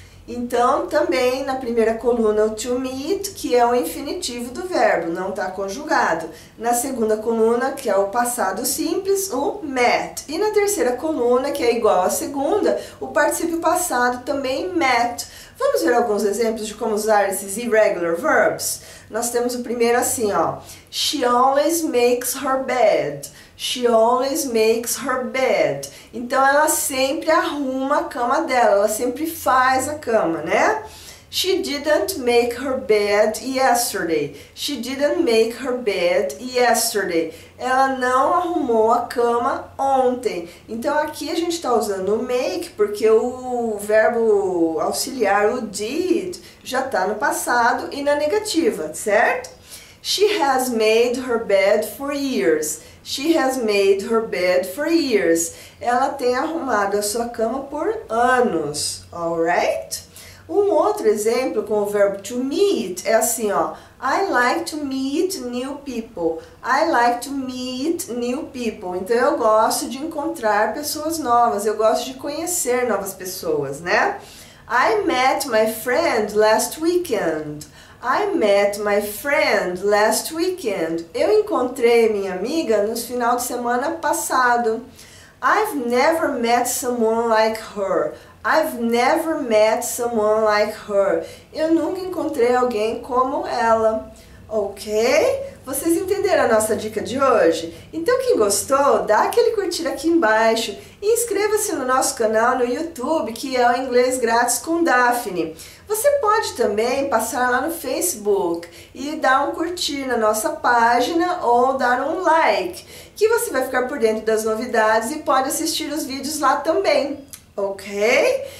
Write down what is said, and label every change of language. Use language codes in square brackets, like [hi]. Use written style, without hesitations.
[pt] Então, também na primeira coluna, o to meet, que é o infinitivo do verbo, não está conjugado. Na segunda coluna, que é o passado simples, o met. E na terceira coluna, que é igual à segunda, o particípio passado também met. Vamos ver alguns exemplos de como usar esses [en] irregular verbs? [pt] Nós temos o primeiro assim, ó. [en] She always makes her bed. She always makes her bed. [pt] Então ela sempre arruma a cama dela, ela sempre faz a cama, né? [en] She didn't make her bed yesterday. She didn't make her bed yesterday. [pt] Ela não arrumou a cama ontem. Então aqui a gente está usando o make, porque o verbo auxiliar, o did, já está no passado e na negativa, certo? [en] She has made her bed for years. She has made her bed for years. [pt] Ela tem arrumado a sua cama por anos. [en] All right? [pt] Um outro exemplo com o verbo to meet é assim, ó. [en] I like to meet new people. I like to meet new people. [pt] Então eu gosto de encontrar pessoas novas. Eu gosto de conhecer novas pessoas, né? [en] I met my friend last weekend. I met my friend last weekend. [pt] Eu encontrei minha amiga no final de semana passado. [en] I've never met someone like her. I've never met someone like her. [pt] Eu nunca encontrei alguém como ela. Ok? Vocês entenderam a nossa dica de hoje? Então, quem gostou, dá aquele curtir aqui embaixo e inscreva-se no nosso canal no YouTube, que é o Inglês Grátis com Daphne. Você pode também passar lá no Facebook e dar um curtir na nossa página ou dar um like, que você vai ficar por dentro das novidades e pode assistir os vídeos lá também. Ok?